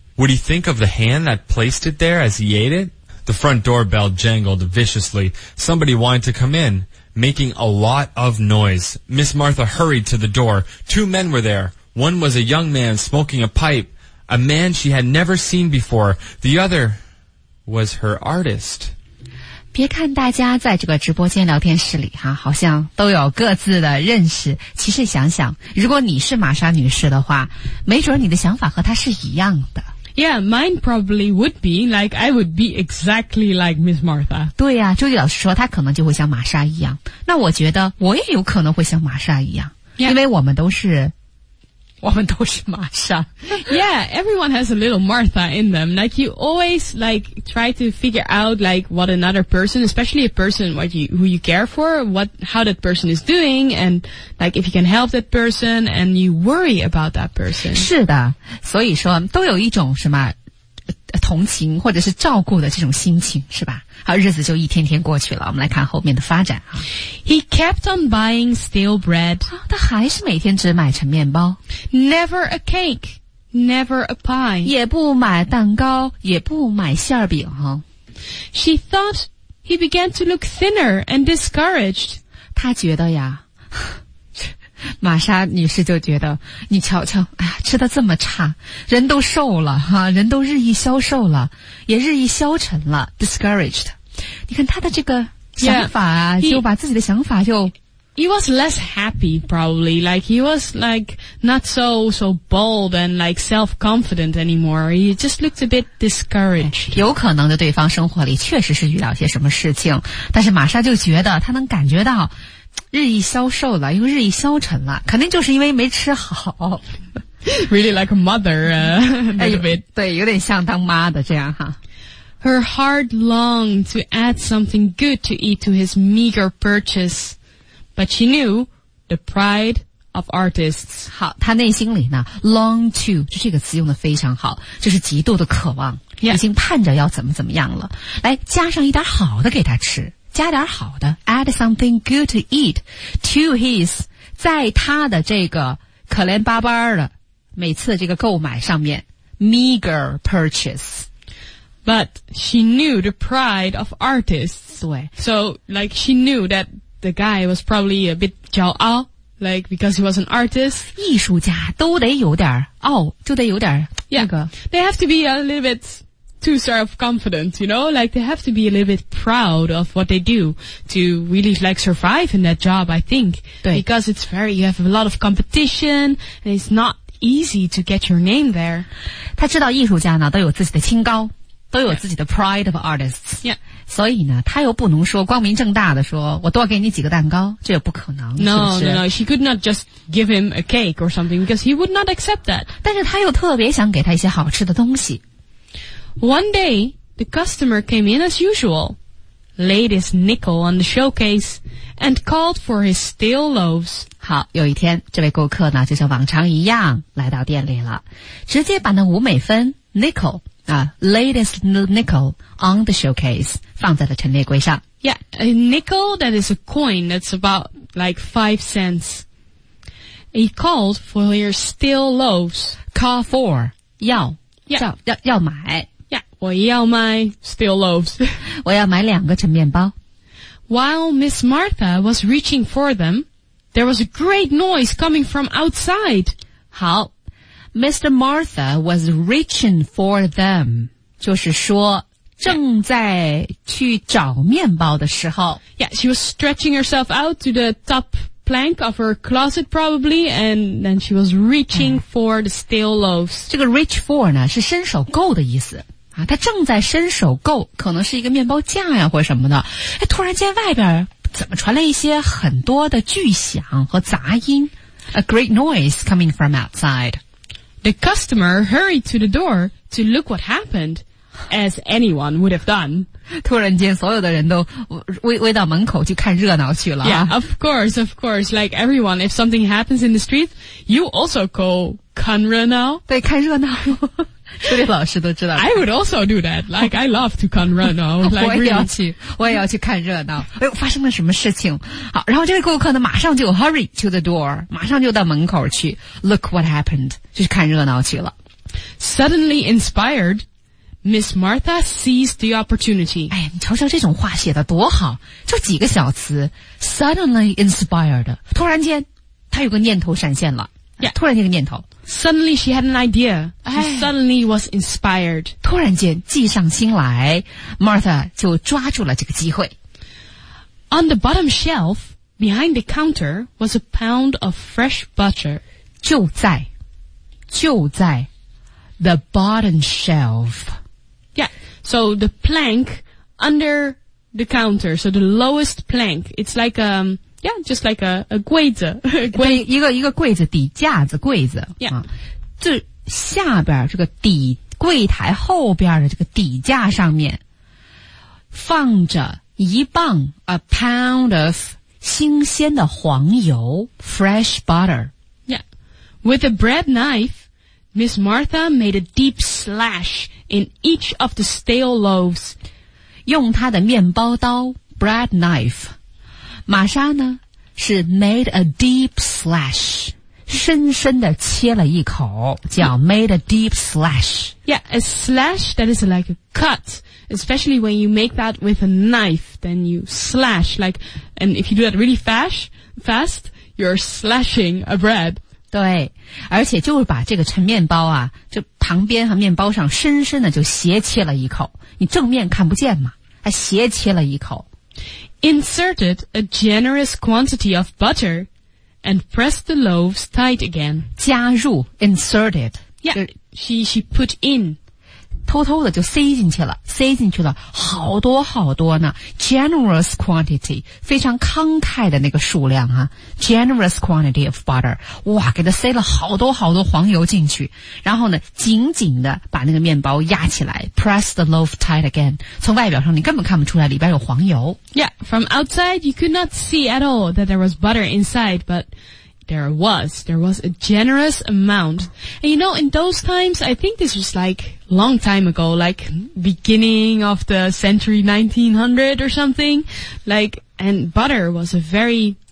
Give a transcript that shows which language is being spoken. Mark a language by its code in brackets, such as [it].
[en] Would he think of the hand that placed it there as he ate it? The front doorbell jangled viciously. Somebody wanted to come in, making a lot of noise. Miss Martha hurried to the door. Two men were there. One was a young man smoking a pipe, a man she had never seen before. The other... was her artist. [zh] 别看大家在这个直播间聊天室里哈、好像都有各自的认识，其实想想，如果你是玛莎女士的话，没准你的想法和她是一样的。 [en] Yeah, mine probably would be, like, I would be exactly like Miss Martha. [zh] 对呀、朱迪老师说她可能就会像玛莎一样，那我觉得我也有可能会像玛莎一样、 [en] yeah. [zh] 因为我们都是玛莎。 [en] Yeah, everyone has a little Martha in them. Like, you always, like, try to figure out, like, what another person, especially a person who you care for, how that person is doing, and, like, if you can help that person, and you worry about that person. [zh] 是的，所以说都有一种什么同情或者是照顾的这种心情，是吧？好，日子就一天天过去了，我们来看后面的发展。 [en] He kept on buying stale bread. [zh] 他还是每天只买成面包。 [en] Never a cake, never a pie. [zh] 也不买蛋糕，也不买馅饼。 [en] She thought he began to look thinner and discouraged. [zh] 他觉得呀，玛莎女士就觉得，你瞧瞧，哎呀，吃得这么差，人都瘦了哈、人都日益消瘦了，也日益消沉了 ，discouraged。你看他的这个想法啊， [en] yeah, he, [zh] 就把自己的想法就 [en] ，he was less happy probably, like he was like not so bold and like self confident anymore. He just looked a bit discouraged.、 [zh] 有可能的，对方生活里确实是遇到些什么事情，但是玛莎就觉得她能感觉到。日益消瘦了，又日益消沉了，肯定就是因为没吃好。 [en] Really like a mother, a little bit. [zh] 对，有点像当妈的这样哈。 [en] Her heart longed to add something good to eat to his meager purchase, but she knew the pride of artists. [zh] 好，她内心里呢 ，long to 就这个词用的非常好，就是极度的渴望， [en] yeah. [zh] 已经盼着要怎么怎么样了。来，加上一点好的给他吃。加点好的 [en] add something good to eat to his [zh] 在他的这个可怜巴巴的每次这个购买上面 [en] meager purchase。 But she knew the pride of artists. [zh] 对。 [en] So, like, she knew that the guy was probably a bit [zh] 骄傲 [en] like, because he was an artist. [zh] 艺术家都得有点傲、哦、就得有点那个。 [en] Yeah. They have to be a little bit too sort of confident, you know? Like, they have to be a little bit proud of what they do to really, like, survive in that job, I think. [zh] 对。 [en] Because it's very, you have a lot of competition, and it's not easy to get your name there. [zh] 他知道艺术家呢都有自己的清高。都有自己的 [en] pride of artists、 yeah. [zh] 所以呢他又不能说光明正大的说我多给你几个蛋糕这也不可能 [en] No, [zh] 是不是 [en] no, no, she could not just give him a cake or something because he would not accept that [zh] 但是他又特别想给他一些好吃的东西 [en] One day, the customer came in as usual laid his nickel on the showcase and called for his stale loaves [zh] 好有一天这位顾客呢就像往常一样来到店里了直接把那五美分 [en] nickel latest nickel on the showcase [zh] 放在了陈列柜上 [en] Yeah, a nickel that is a coin that's about like 5 cents He called for your stale loaves Call for [zh] 要、 [en] yeah. [zh] 要买 Yeah, 我要买 [en] stale loaves [zh] 我要买两个陈面包 [en] While Miss Martha was reaching for them There was a great noise coming from outside 好Mr. Martha was reaching for them. [zh] 就是说正在去找面包的时候。 [en] Yeah, she was stretching herself out to the top plank of her closet probably, and then she was reaching for the stale loaves. [zh] 这个 reach for 呢是伸手够的意思。啊她正在伸手够可能是一个面包架呀或什么的。哎突然间外边怎么传来一些很多的巨响和杂音。 [en] A great noise coming from outside. The customer hurried to the door to look what happened, as anyone would have done. [zh] 突然间所有的人都围到门口去看热闹去了。 [en] Yeah, of course, like everyone, if something happens in the street, you also go [zh] 看热闹。对看热闹。这位老师都知道。 [en] I would also do that, like I love to [zh] 看热闹。我也要去看热闹。哎呦发生了什么事情。好然后这个顾客呢马上就 [en] hurry to the door, [zh] 马上就到门口去 [en] look what happened, [zh] 就是看热闹去了。 [en] Suddenly inspired, Miss Martha seized the opportunity. [zh] 哎你瞧瞧这种话写得多好就几个小词 [en] suddenly inspired, [zh] 突然间他有个念头闪现了。 [en] Yeah. [zh] 突然间个念头。 [en] Suddenly she had an idea. She suddenly was inspired. [zh] 突然间计上心来 ,Martha 就抓住了这个机会。 [en] On the bottom shelf, behind the counter, was a pound of fresh butter. [zh] 就在 [en] the bottom shelf. Yeah, so the plank under the counter, so the lowest plank, it's like Yeah, just like a [zh] 柜子。对一个柜子底架子柜子。 [en] Yeah. [zh] 这下边这个底柜台后边的这个底架上面放着一磅 [en] a pound of [zh] 新鲜的黄油 [en] fresh butter. Yeah. With a bread knife, Miss Martha made a deep slash in each of the stale loaves. [zh] 用她的面包刀 [en] bread knife, [zh] 玛莎呢是 [en] made a deep slash [zh] 深深地切了一口叫 made a deep slash [en] Yeah, a slash that is like a cut especially when you make that with a knife then you slash like and if you do that really fast you're slashing a bread [zh] 对而且就是把这个陈面包啊就旁边和面包上深深地就斜切了一口你正面看不见嘛还斜切了一口 [en] Inserted a generous quantity of butter and pressed the loaves tight again. [zh] 加入 [en] inserted. Yeah, she put in. [zh] 偷偷的就塞进去了好多好多呢 [en] generous quantity, [zh] 非常慷慨的那个数量啊 [en] generous quantity of butter. [zh] 哇给它塞了好多好多黄油进去然后呢紧紧的把那个面包压起来 [en] press the loaf tight again. [zh] 从外表上你根本看不出来里边有黄油。 [en] Yeah, from outside you could not see at all that there was butter inside, but There was a generous amount. And you know, in those times, I think this was like long time ago, like beginning of the century 1900 or something. Like, and butter was a very